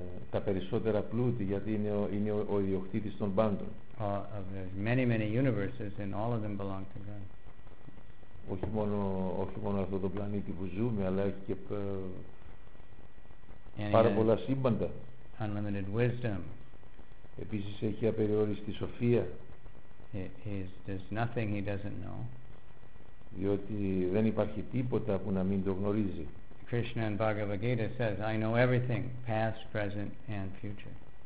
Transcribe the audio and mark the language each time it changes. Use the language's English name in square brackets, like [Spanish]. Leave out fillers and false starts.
[Greek] Τα περισσότερα πλούτη, γιατί είναι ο ιδιοκτήτης των πάντων. [English] Many, many universes, and all of them belong to God. [Greek] Όχι μόνο αυτό το πλανήτη που ζούμε, αλλά έχει και πάρα πολλά σύμπαντα. [English] Unlimited wisdom. [Greek] Επίσης έχει απεριόριστη σοφία. [English] There's nothing he doesn't know. [Greek] Διότι δεν υπάρχει τίποτα που να μην το γνωρίζει. [English] Krishna in Bhagavad Gita says, I know everything, past, present and future.